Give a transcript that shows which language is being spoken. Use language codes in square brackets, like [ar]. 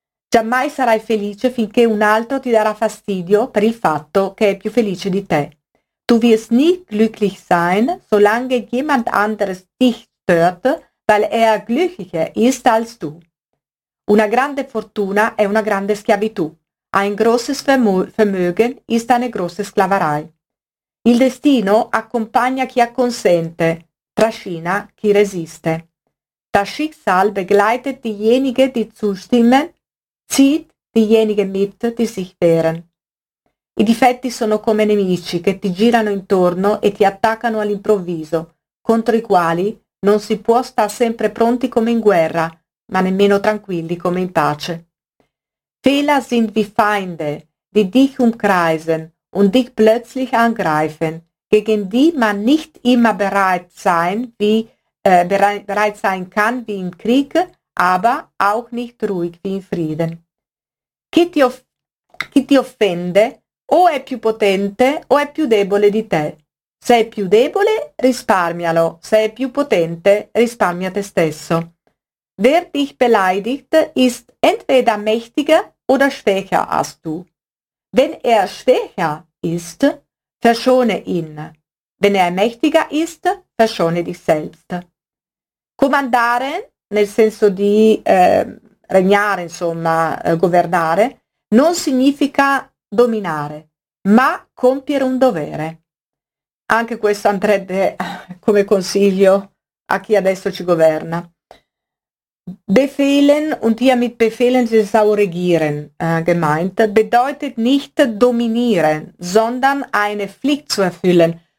[it] Giammai sarai felice finché un altro ti darà fastidio per il fatto che è più felice di te. [de] Du wirst nie glücklich sein, solange jemand anderes dich stört, weil glücklicher ist als du. [it] Una grande fortuna è una grande schiavitù. [de] Ein großes Vermögen ist eine große Sklaverei. [it] Il destino accompagna chi acconsente, trascina chi resiste. [de] Das Schicksal begleitet diejenigen, die zustimmen, zieht diejenigen mit, die sich wehren. [it] I difetti sono come nemici che ti girano intorno e ti attaccano all'improvviso, contro i quali non si può star sempre pronti come in guerra, ma nemmeno tranquilli come in pace. [de] Fehler sind wie Feinde, die dich umkreisen und dich plötzlich angreifen, gegen die man nicht immer bereit sein kann wie im Krieg, aber auch nicht ruhig wie in Frieden. [it] Chi ti offende o è più potente o è più debole di te. Se è più debole, risparmialo. Se è più potente, risparmia te stesso. [de] Wer dich beleidigt, ist entweder mächtiger oder schwächer als du. Wenn schwächer ist, verschone ihn. Wenn mächtiger ist, verschone dich selbst. [it] Comandare, nel senso di regnare, insomma, governare, non significa dominare, ma compiere un dovere. Anche questo andrebbe come consiglio a chi adesso ci governa. [de] Befehlen und hier mit Befehlen ist auch regieren gemeint, bedeutet nicht dominieren, sondern eine Pflicht zu erfüllen.